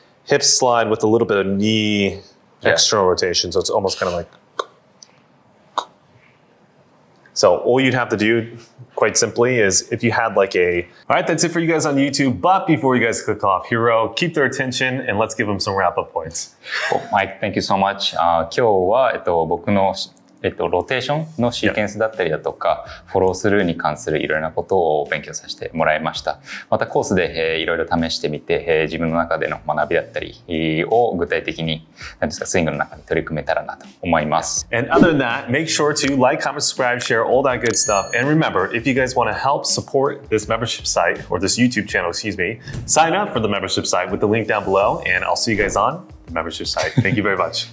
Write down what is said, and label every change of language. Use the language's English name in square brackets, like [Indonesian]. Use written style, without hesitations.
[English] hips slide with a little bit of knee external rotation. So it's almost kind of like. So all you'd have to do quite simply is if you had like a, all right, that's it for you guys on YouTube. But before you guys click off, Hiro, keep their attention and let's give them some wrap up points. Well, Mike, thank you so much. [Japanese] 今日は僕のローテーションのシーケンスだったりだとか、フォロースルーに関するいろいろなことを勉強させてもらいました。またコースでいろいろ試してみて、自分の中での学びだったりを具体的に、スイングの中に取り組めたらなと思います。 [English] And other than that, make sure to like, comment, subscribe, share, all that good stuff. And remember, if you guys want to help support this membership site or this YouTube channel, excuse me, sign up for the membership site with the link down below. And I'll see you guys on the membership site. Thank you very much.